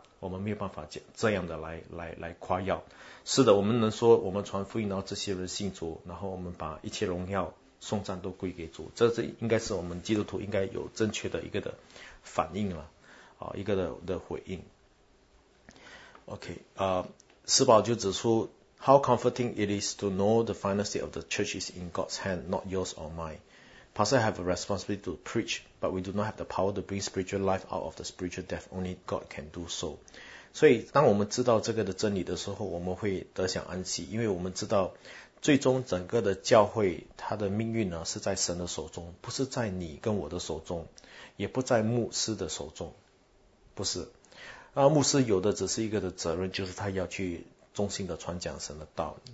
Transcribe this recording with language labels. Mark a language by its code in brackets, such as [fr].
[zh] 我们没有办法讲这样的来夸耀。是的，我们能说我们传福音，然后这些人信主，然后我们把一切荣耀颂赞都归给主，这应该是我们基督徒应该有正确的一个的反应了，一个的回应。 [en] OK， [zh] 施宝就指出， [en] How comforting it is to know the finality of the church is in God's hand, not yours or mine. Pastor have a responsibility to preach, but we do not have the power to bring spiritual life out of the spiritual death. Only God can do so. [zh] 所以，当我们知道这个的真理的时候，我们会得享安息，因为我们知道，最终整个的教会它的命运呢是在神的手中，不是在你跟我的手中，也不在牧师的手中，不是。啊，牧师有的只是一个的责任，就是他要去忠心的传讲神的道。